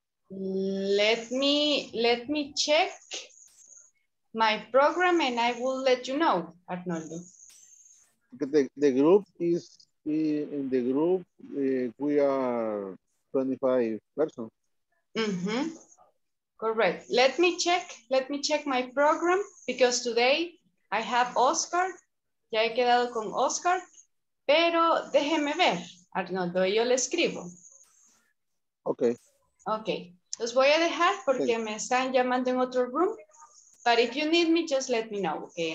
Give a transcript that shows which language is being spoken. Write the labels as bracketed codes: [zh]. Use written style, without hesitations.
[en] Let me check my program and I will let you know, Arnoldo. The group is in the group, we are 25 persons. Mm-hmm. Correct. Let me check my program because today I have Oscar. [es] Ya he quedado con Oscar, pero déjeme ver, Arnoldo, yo le escribo. [en] Okay. Okay. [es] Los voy a dejar porque me están llamando en otro room. [en] But if you need me, just let me know, okay?